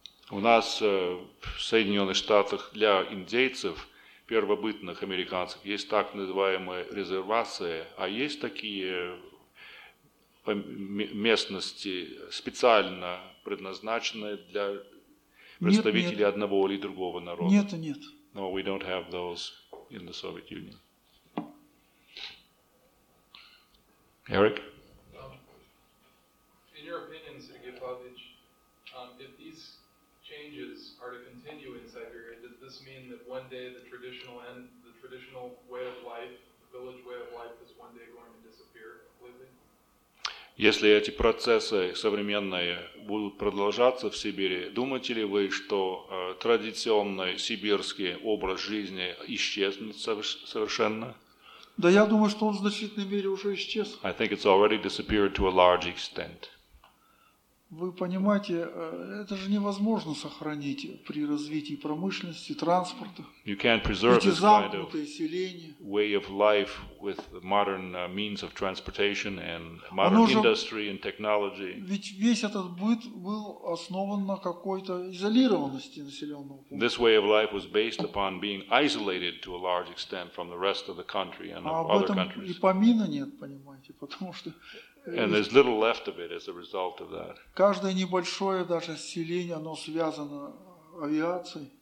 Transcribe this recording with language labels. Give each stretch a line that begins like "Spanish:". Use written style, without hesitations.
Russian: У нас в Соединенных Штатах для индейцев, первобытных американцев, есть так называемые резервации, а есть такие местности, специально предназначенные для представителей одного или другого народа? Нет, нет.
English: No, we don't have those in the Soviet Union. Eric? In your opinion, Sergei Pavlovich, if these changes are to continue in Siberia, does this mean that one day the traditional way of life, the village way of life, is one day going to disappear completely?
Russian: Если эти процессы современные будут продолжаться в Сибири, думаете ли вы, что традиционный сибирский образ жизни исчезнет совершенно? Да, я думаю, что он в значительной мере уже исчез.
English: I think it's already disappeared to a large extent.
Russian: Вы понимаете, это же невозможно сохранить при развитии промышленности, транспорта.
English: You can't preserve this kind of way of life with modern means of transportation and modern industry and technology.
Russian: Ведь весь этот быт был основан на какой-то изолированности населенного пункта.
English: This way of life was based upon being isolated to a large extent from the rest of the country and of other countries.
Russian: А об этом и помина нет, понимаете, потому что...
English: And there's little left of it as a result of that.
Russian: Каждое небольшое даже селение, оно связано авиацией.